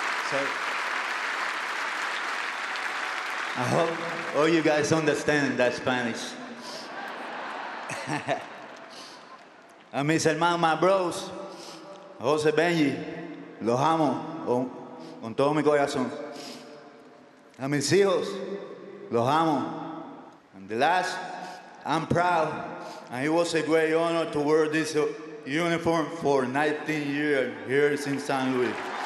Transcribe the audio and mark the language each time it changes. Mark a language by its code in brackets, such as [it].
[en] So, I hope all you guys understand that Spanish. [es] A mis hermanos, [en] my bros, [es] Jose, Benji, los amo con todo mi corazón. A mis hijos, los amo. [en] And the last, I'm proud, and it was a great honor to wear this uniform for 19 years here in San Luis.